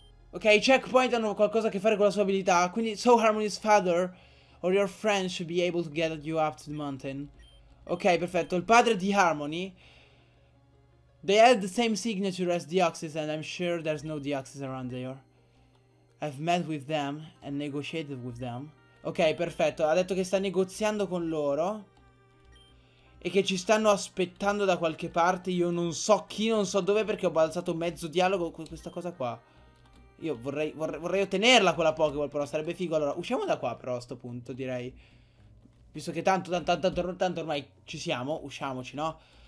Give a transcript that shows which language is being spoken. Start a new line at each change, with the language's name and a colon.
Italian: Ok, i checkpoint hanno qualcosa a che fare con la sua abilità. Quindi,
English: so Harmony's father or your friend should be able to get you up to the mountain.
Italian: Ok, perfetto. Il padre di Harmony.
English: They have the same signature as Deoxys, and I'm sure there's no Deoxys around there. I've met with them and negotiated with them.
Italian: Ok, perfetto. Ha detto che sta negoziando con loro. E che ci stanno aspettando da qualche parte. Io non so chi, non so dove, perché ho balzato mezzo dialogo con questa cosa qua. Io vorrei ottenerla quella Pokéball, però sarebbe figo. Allora, usciamo da qua però a sto punto, direi. Visto che tanto ormai ci siamo, usciamoci, no?